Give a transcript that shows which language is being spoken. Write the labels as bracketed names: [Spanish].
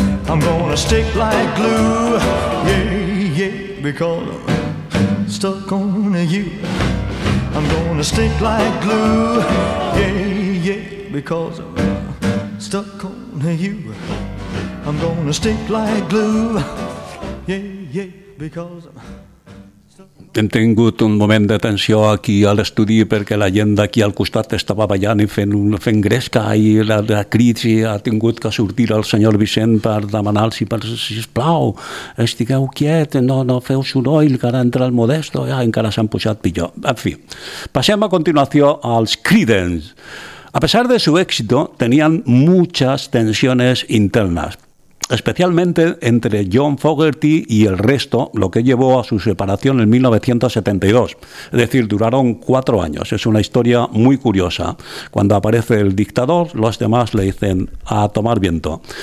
[English] I'm gonna stick like glue. Yeah, yeah, because I'm stuck on you. I'm gonna stick like glue. Yeah, yeah, because I'm stuck on you. I'm gonna stick like glue. Yeah, yeah, because I'm. [Catalan] Hem tingut un moment de tensió aquí a l'estudi perquè la gent d'aquí al costat estava ballant i fent gresca i la crits, i ha tingut que sortir el senyor Vicent per demanar-los, sisplau, estigueu quiet, no feu soroll, que ara entra el Modesto, ja, encara s'han pujat pitjor. En fi, passem a continuació als Creedence. [Spanish] A pesar de su éxito, [Catalan] tenien moltes tensions internes, [Spanish] especialmente entre John Fogerty y el resto, lo que llevó a su separación en 1972. Es decir, duraron 4 años. Es una historia muy curiosa. Cuando aparece el dictador, los demás le dicen a tomar viento.